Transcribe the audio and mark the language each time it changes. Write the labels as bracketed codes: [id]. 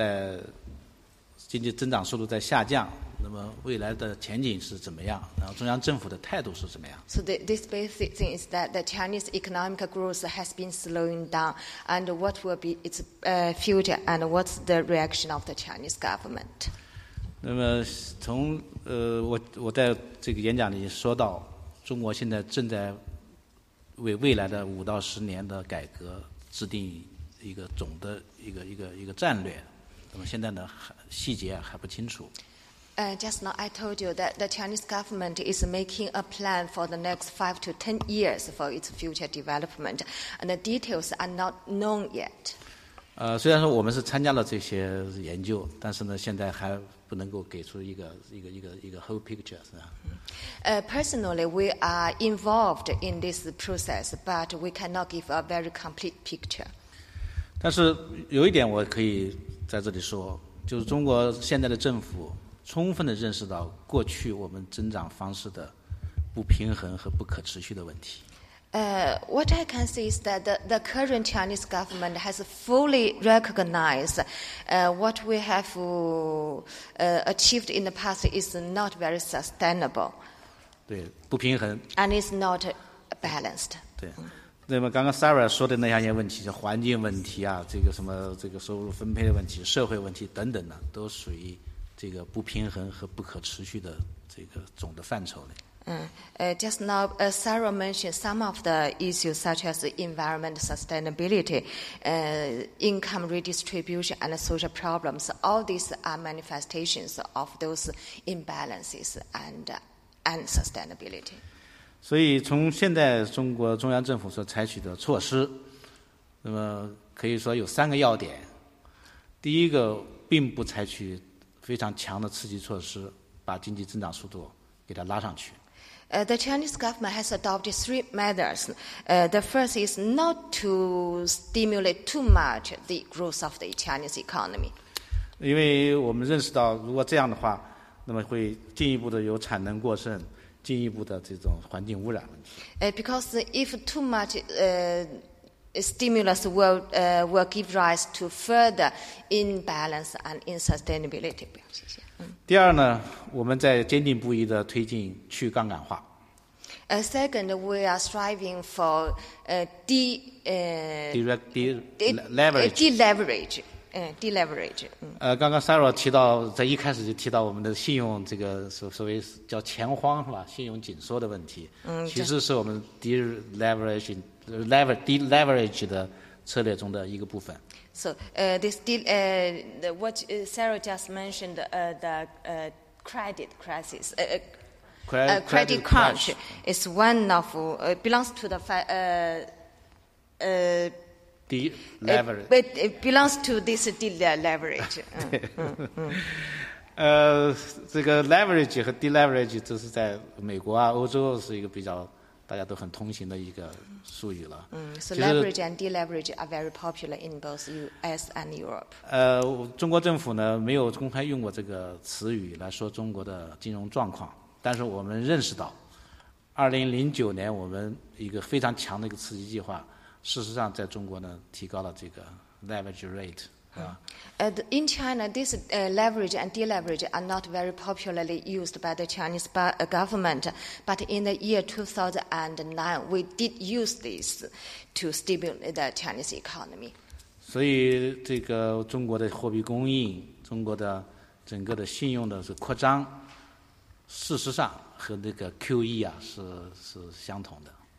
[zh] 那就是中国现在经济的形势在经济增长速度在下降。那么未来的前景是怎么样? 然后中央政府的态度是怎么样? [en] So this basic thing is that the Chinese economic growth has been slowing down, and what will be its future, and what's the reaction of the Chinese government? [zh] 那么从我在这个演讲里说到, 中国现在正在为未来的5到10年的改革制定一个总的一个战略, 那么现在的细节还不清楚。 [en] Just now I told you that the Chinese government is making a plan for the next 5 to 10 years for its future development, and the details are not known yet. [zh] 虽然说我们是参加了这些研究，但是呢，现在还不能够给出一个 [en] whole picture， [zh] 是吧？ [en] Personally, we are involved in this process, but we cannot give a very complete picture. [zh] 但是有一点我可以在这里说，就是中国现在的政府充分地认识到过去我们增长方式的不平衡和不可持续的问题。 [en] What I can see is that the current Chinese government has fully recognized what we have achieved in the past is not very sustainable. [zh] 对，不平衡。 [en] And it's not balanced. [zh] 对，那么刚刚 Sarah 说的那些问题，就环境问题啊，这个什么这个收入分配的问题、社会问题等等呢，都属于这个不平衡和不可持续的这个总的范畴内。 [en] Just now, Sarah mentioned some of the issues such as environment sustainability, income redistribution, and social problems. All these are manifestations of those imbalances and unsustainability. [zh] 所以，从现在中国中央政府所采取的措施，那么可以说有三个要点。第一个，并不采取非常强的刺激措施，把经济增长速度给它拉上去。 [en] The Chinese government has adopted three measures. The first is not to stimulate too much the growth of the Chinese economy. [zh] 因为我们认识到，如果这样的话，那么会进一步的有产能过剩，进一步的这种环境污染问题。 [en] Because if too much stimulus will give rise to further imbalance and unsustainability. [zh] 第二呢，我们在坚定不移地推进去杠杆化。 [en] Second, we are striving for deleverage. [zh] 刚刚 Sarah 提到，在一开始就提到我们的信用这个所谓叫钱荒是吧？信用紧缩的问题，其实是我们 deleverage 的策略中的一个部分。 [en] So what Sarah just mentioned, credit crunch is one of belongs to the deleverage. It belongs to this deleverage. [zh] 这个 leverage 和 deleverage 这是在美国啊、欧洲是一个比较大家都很通行的一个。术语了。 [en] So leverage and deleverage are very popular in both US and Europe. [zh] 中国政府呢没有公开用过这个词语来说中国的金融状况，但是我们认识到，2009年我们一个非常强的一个刺激计划，事实上在中国呢提高了这个 leverage rate。 [en] In China, this leverage and deleverage are not very popularly used by the Chinese government. But in the year 2009, we did use this to stimulate the Chinese economy. [zh] 所以，这个中国的货币供应、中国的整个的信用的扩张，事实上和那个 QE 啊是相同的。